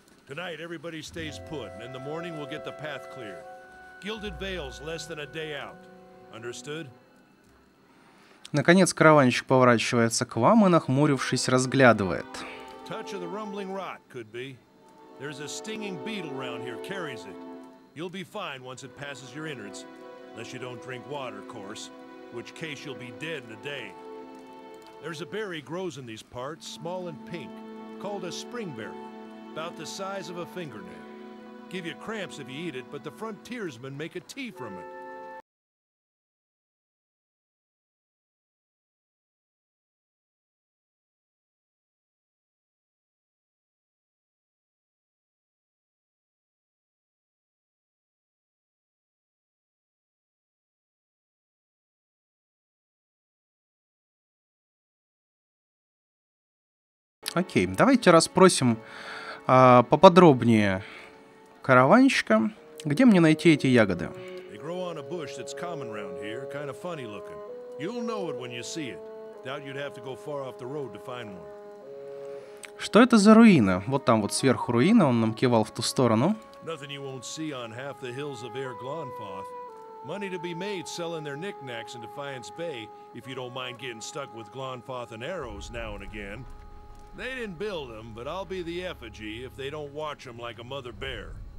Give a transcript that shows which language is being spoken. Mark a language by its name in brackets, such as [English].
[English] Tonight, everybody stays put, and in the morning we'll get the path cleared. Gilded veils less than a day out. Understood? [Russian] Наконец, караванщик поворачивается к вам и, нахмурившись, разглядывает. [English] Touch of the rumbling rot, could be. There's a stinging beetle around here, carries it. You'll be fine once it passes your innards. Unless you don't drink water, of course. В which case, you'll be dead in a day. There's a berry grows in these parts, small and pink, called a springberry. About the size of a fingernail. Give you cramps if you eat it, but the frontiersmen make a tea from it. [Russian] Окей, давайте расспросим поподробнее караванщика, где мне найти эти ягоды? [English] They grow on a bush that's common around here, kind of funny looking. You'll know it when you see it. Doubt you'd have to go far off the road to find one. [Russian] Что это за руина? Вот там вот сверху руина, он нам кивал в ту сторону. [English] Nothing you won't see on half the hills of Erglonfoth. Money to be made selling their knickknacks in Defiance Bay, if you don't mind getting stuck with Glonfoth and arrows now and again. They didn't build them, but I'll be the effigy if they don't watch them like a mother bear.